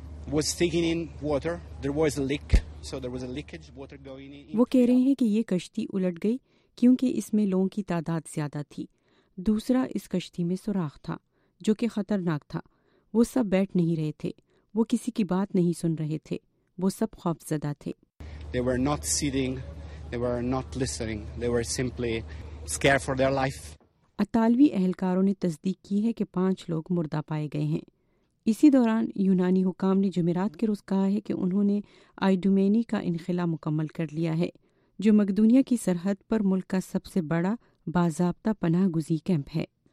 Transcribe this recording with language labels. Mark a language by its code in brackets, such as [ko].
[ur] وہ کہہ رہے ہیں کہ یہ کشتی الٹ گئی کیونکہ اس میں لوگوں کی تعداد زیادہ تھی. دوسرا اس کشتی میں سوراخ تھا جو کہ خطرناک تھا. وہ سب بیٹھ نہیں رہے تھے, وہ کسی کی بات نہیں سن رہے تھے, وہ سب خوف زدہ تھے. [en] They were not sitting, they were not listening, they were simply scared for their life. [ur] اطالوی اہلکاروں نے تصدیق کی ہے کہ پانچ لوگ مردہ پائے گئے ہیں. اسی دوران یونانی حکام نے جمعرات کے روز کہا ہے کہ انہوں نے آئیڈومینی کا انخلا مکمل کر لیا ہے جو مقدونیا کی سرحد پر ملک کا سب سے بڑا باضابطہ پناہ گزین کیمپ ہے.